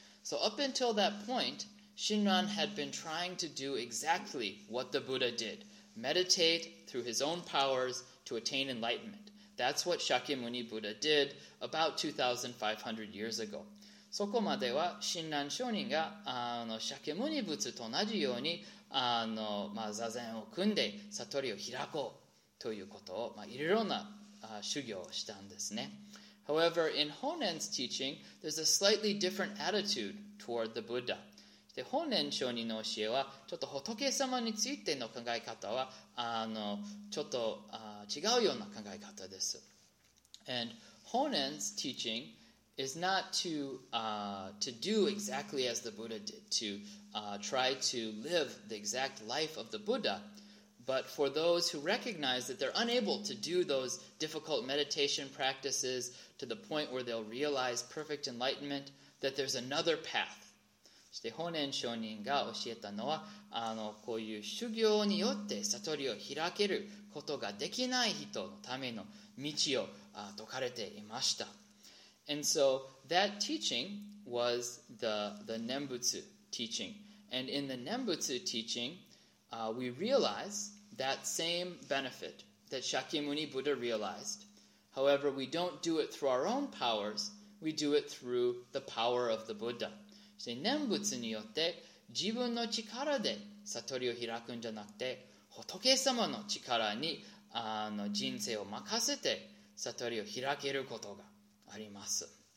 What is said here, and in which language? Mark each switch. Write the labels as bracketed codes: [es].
[en] So up until that point, Shinran had been trying to do exactly what the Buddha did. Meditate through his own powers to attain enlightenment. That's what Shakyamuni Buddha did about 2,500 years ago. [ja] そこまでは、親鸞聖人が、あの、シャケムニ仏と同じように、あの、まあ、座禅を組んで、悟りを開こうということを、まあ、いろいろな、修行をしたんですね。 [en] However, in Honen's teaching, there's a slightly different attitude toward the Buddha. [ja] で、Honen 聖人の教えは、ちょっと仏様についての考え方は、あの、ちょっと、違うような考え方です。 [en] And Honen's teaching is not to, to do exactly as the Buddha did, to try to live the exact life of the Buddha, but for those who recognize that they're unable to do those difficult meditation practices to the point where they'll realize perfect enlightenment, that there's another path. [ja] して法然上人が教えたのは、こういう修行によって悟りを開けることができない人のための道を説かれていました。 [en] And so that teaching was the Nembutsu teaching. And in the Nembutsu teaching, we realize that same benefit that Shakyamuni Buddha realized. However, we don't do it through our own powers, we do it through the power of the Buddha. [ja] で、念仏によって自分の力で悟りを開くんじゃなくて、仏様の力に人生を任せて悟りを開けることがあります。